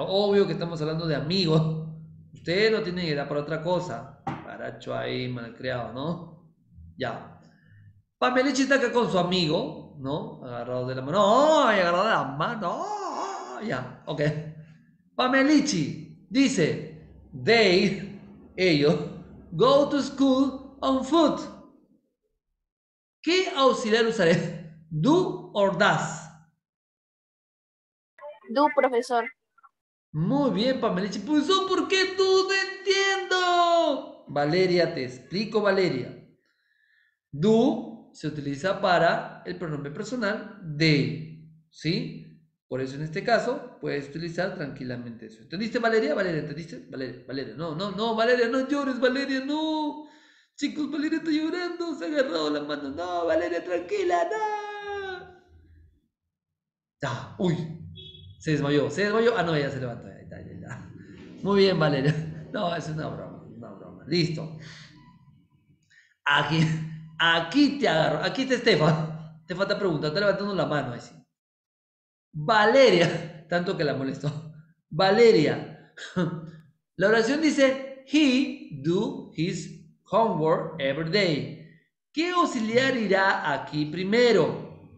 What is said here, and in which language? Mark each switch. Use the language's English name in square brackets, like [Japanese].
[Spanish] Obvio que estamos hablando de amigos. Usted no tiene edad para otra cosa. Paracho ahí, malcriado, ¿no? Ya. Pamelichi está acá con su amigo, ¿no? Agarrado de la mano. ¡Oh! Agarrado de la mano. ¡Oh! Ya, ok. Pamelichi dice: ellos, [English] go to school on foot. [Spanish] ¿Qué auxiliar usaré? ¿Do or das? Do, profesor. Muy bien, Pamelichi. Pues eso, ¿por qué tú entiendo? Valeria, te explico, Valeria. Do se utiliza para el pronombre personal de, ¿sí? Por eso en este caso puedes utilizar tranquilamente eso. ¿Entendiste, Valeria? Valeria, ¿entendiste? Valeria, Valeria. No, no, no, Valeria, no llores, Valeria, no. Chicos, Valeria está llorando, se ha agarrado la mano. No, Valeria, tranquila, no. Ya, uy, se desmayó, ah no, ya se levantó, ya. Muy bien, Valeria, no, es una broma, listo. Aquí te agarro, aquí está Estefa, te falta pregunta, está levantando la mano así. Valeria, tanto que la molestó, Valeria, la oración dice, [English] he do his homework every day. [Spanish] ¿Qué auxiliar irá aquí primero?